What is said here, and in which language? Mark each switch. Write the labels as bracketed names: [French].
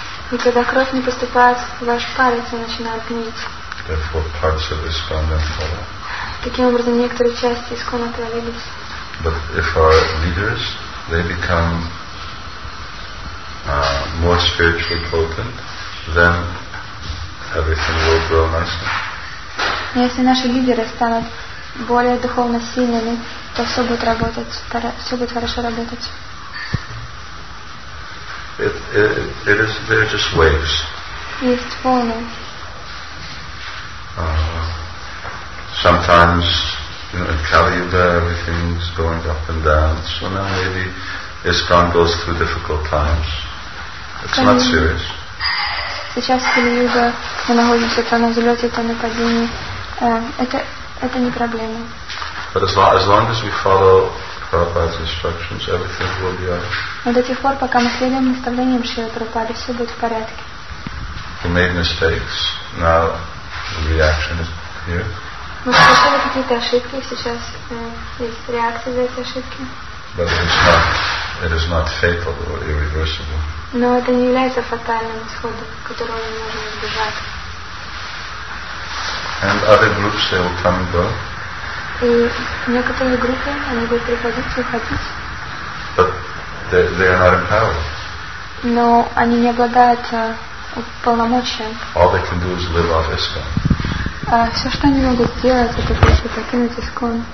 [Russian] И когда кровь не поступает в ваш палец, она начинает гнить. [English] Therefore, parts of ISKCON then fall. [Russian] Таким образом, некоторые части ISKCON отвалились. [English] But if our leaders, they become more spiritually potent, then everything will grow nicely. [Russian] Если наши лидеры станут более духовно сильными, то все будет работать, все будет хорошо работать. [English] It is they're just waves. [Russian] Есть волны. [English] Sometimes, you know, in Kali Yuga everything's going up and down. So now maybe ISKCON goes through difficult times. It's not serious. [Russian] Сейчас в Кали Юга мы находимся то на взлете, то на падении. Это не проблема. [English] But as long as we follow Prabhupada's instructions, everything will be all right. [Russian] Но до тех пор, пока мы следуем наставлениям Шрилы Прабхупады, все будет в порядке. [English] We made mistakes. Now the reaction is here. [Russian] Мы совершили какие-то ошибки, сейчас есть реакция за эти ошибки. [English] But it is not fatal or irreversible. [Russian] Но это не является фатальным исходом, которого мы можем избежать. [English] And other groups, they will come and go. [Russian] И некоторые группы, они будут приходить и уходить. [English] But they are not empowered. [Russian] Но они не обладают полномочием. [English] All they can do is live off ISKCON. [Russian] Все, что они могут сделать, это просто покинуть ISKCON.